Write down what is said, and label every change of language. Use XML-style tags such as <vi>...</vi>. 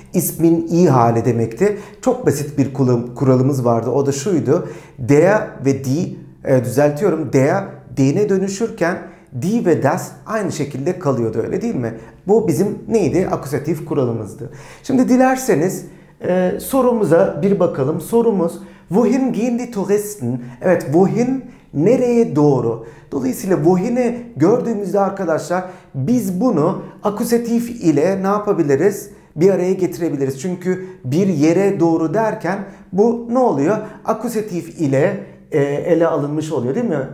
<tr>İsmin iyi hali demekti. Çok basit bir kuralımız vardı. O da şuydu. Der ve die düzeltiyorum. Der, die'ne dönüşürken die ve das aynı şekilde kalıyordu, öyle değil mi? Bu bizim neydi? Akusatif kuralımızdı. Şimdi dilerseniz sorumuza bir bakalım.</tr> <de>Sorumuz, wohin gehen die Touristen?</de> <tr>Evet, wohin, nereye doğru? Dolayısıyla wohin'i gördüğümüzde arkadaşlar, biz bunu akusatif ile ne yapabiliriz? Bir araya getirebiliriz. Çünkü bir yere doğru derken bu ne oluyor? Akusatif ile ele alınmış oluyor, değil mi?</tr>